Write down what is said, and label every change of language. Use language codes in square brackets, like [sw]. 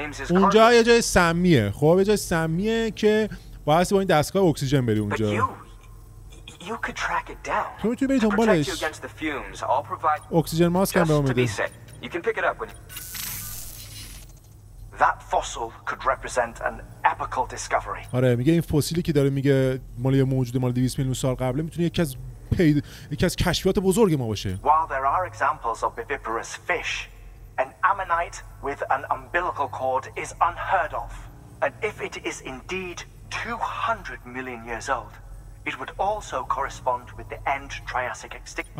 [fa] اونجا یه جای سمیه. خب یه جای سمیه که واسه با این دستگاه اکسیژن بری اونجا. [en] You could track it down. To protect you against the fumes, I'll provide oxygen mask and to be safe. You can pick it up when that fossil could represent an apical discovery. [fa] آره میگه این فسیلی که داره میگه مال یه موجود مال 200 میلیون سال قبله میتونه یکی از کشفیات بزرگ ما باشه. [en] While there are examples of viviparous fish, an ammonite with an umbilical cord is unheard of. And if it is indeed 200 million years old, it would also correspond with the end Triassic extinction.